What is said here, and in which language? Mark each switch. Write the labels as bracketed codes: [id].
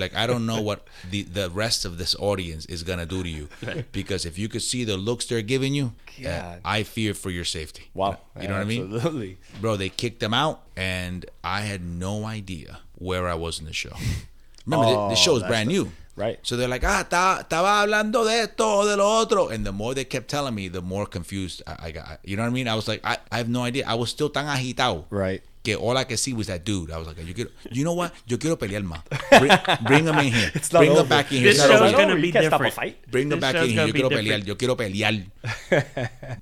[en] Like, I don't know what the rest of this audience is going to do to you. Because if you could see the looks they're giving you, I fear for your safety. Wow. You know what absolutely. I mean? Absolutely. Bro, they kicked them out, and I had no idea where I was in the show. Remember, the show is brand new. Right. So they're like, [es] estaba hablando de esto, de lo otro. [en] And the more they kept telling me, the more confused I got. You know what I mean? I was like, I have no idea. I was still [es] tan agitado. [en] Right. [es] Que [en] all I could see was that dude. I was like, you know what? [es] Yo quiero pelear más. [en] Bring him in here. It's not bring over. Him back in here. This show's going to be different. Bring him back in here. [es] Yo quiero pelear.